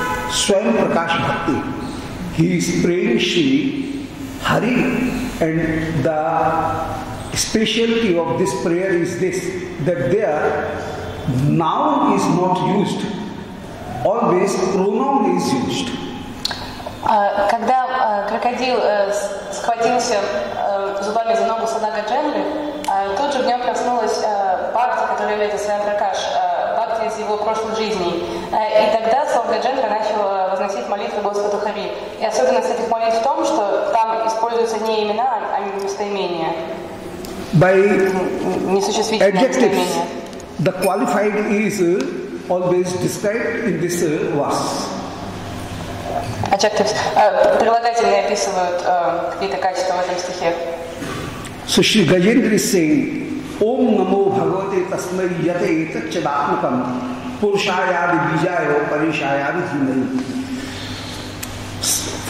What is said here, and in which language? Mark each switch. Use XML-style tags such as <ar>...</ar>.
<en>Swayam Prakash bhakti, he is praying Shri Hari, and the specialty of this prayer is this, that there noun is not used. Always pronoun is used.</en> <ru>Когда крокодил схватился зубами за ногу сана Гаджендры, тут же в нем проснулась бхакти, которую видел Свайм Пракаш, бхакти из его прошлой жизни. И тогда сам Гаджендра начал возносить молитву Господу Хари. И особенность этих молитв в том, что там используются не имена, а местоимения.</ru> <en>By</en> <ru>несуществительные</ru> <en>adjectives, the qualified is always described in this verse. Adjectives.</en> <ru>Прилагательные описывают какие-то качества в этом стихе.</ru> <en>So Shri Gajendra is saying,</en> <sa>Om Namo Bhagavate Tasmai Yate Tachadatmakam Purushayadi Bijayo Parishayadi Dhimayi.</sa>